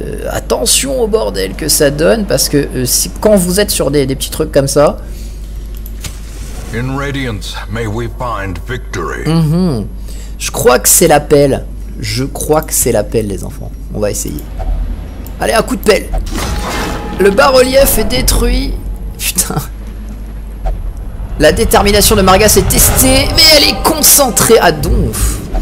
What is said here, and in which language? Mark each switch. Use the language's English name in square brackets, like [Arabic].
[French] Attention au bordel que ça donne, parce que quand vous êtes sur des petits trucs comme ça... [English] In Radiance, may we find victory. [French] Je crois que c'est l'appel. Je crois que c'est l'appel, les enfants. On va essayer. Allez, un coup de pelle. Le bas-relief est détruit. Putain. La détermination de Margas est testée, mais elle est concentrée à donf.